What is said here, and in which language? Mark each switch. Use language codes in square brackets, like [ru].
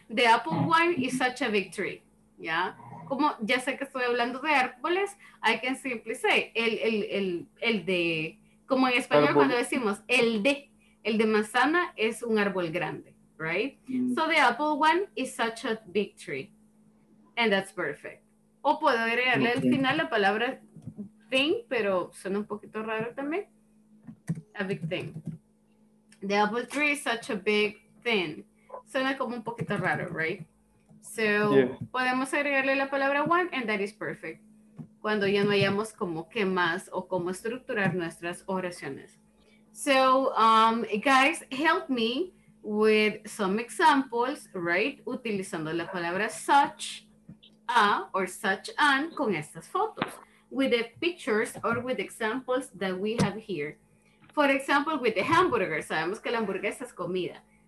[en] The apple wine is such a big tree. [es] ¿Ya? Como ya sé que estoy hablando de árboles, [en] I can simply say, [es] el de, como en español cuando decimos, el de manzana es un árbol grande, right? Mm. [en] So the apple one is such a big tree. And that's perfect. [es] O puedo agregarle al final la palabra thing, pero suena un poquito raro también. [en] A big thing. The apple tree is such a big thing. [es] Suena como un poquito raro, [en] right? [es] So, podemos agregarle la palabra one, [en] and that is perfect. [es] Cuando ya no hayamos como qué más o cómo estructurar nuestras oraciones. [en] So, guys, help me with some examples, right? [es] Utilizando la palabra such a or such an con estas fotos. [en] With the pictures or with examples that we have here. For example, with the hamburger. [es] Sabemos que la hamburguesa es comida.